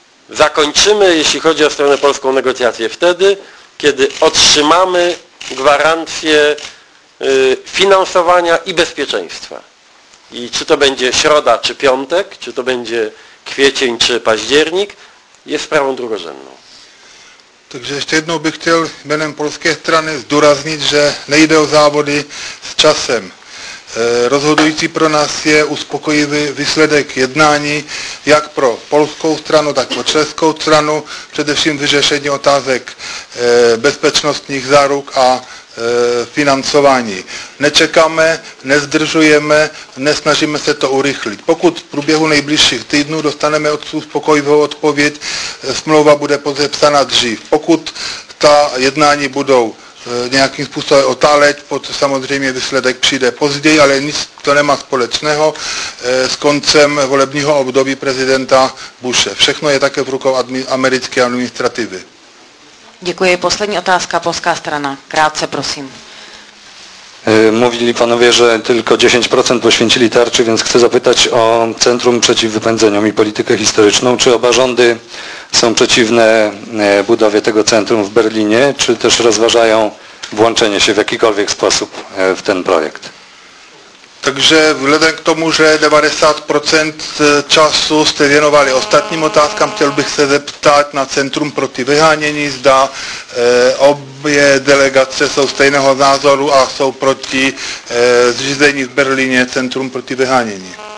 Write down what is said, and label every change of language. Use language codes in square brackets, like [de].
[pl] Zakończymy, jeśli chodzi o stronę polską, negocjacje wtedy, kiedy otrzymamy gwarancję finansowania i bezpieczeństwa. I czy to będzie środa, czy piątek, czy to będzie kwiecień, czy październik, jest sprawą drugorzędną. [cs] Takže ještě jednou bych chtěl jménem polské strany zdůraznit, že nejde o závody s časem. Rozhodující pro nás je uspokojivý výsledek jednání jak pro polskou stranu, tak pro českou stranu, především vyřešení otázek bezpečnostních záruk a financování. Nečekáme, nezdržujeme, nesnažíme se to urychlit. Pokud v průběhu nejbližších týdnů dostaneme od uspokojivou odpověď, smlouva bude podepsána dřív. Pokud ta jednání budou nějakým způsobem otáleť, pod samozřejmě výsledek přijde později, ale nic to nemá společného s koncem volebního období prezidenta Bushe. Všechno je také v rukou americké administrativy. Děkuji. Poslední otázka, polská strana. Krátce, prosím. [pl] Mówili panowie, że tylko 10% poświęcili tarczy, więc chcę zapytać o Centrum Przeciw Wypędzeniom i Politykę Historyczną. Czy oba rządy są przeciwne budowie tego centrum w Berlinie, czy też rozważają włączenie się w jakikolwiek sposób w ten projekt? [cs] Takže vzhledem k tomu, že 90% času jste věnovali ostatním otázkám, chtěl bych se zeptat na Centrum proti vyhánění, zda obě delegace jsou stejného názoru a jsou proti zřízení v Berlíně Centrum proti vyhánění.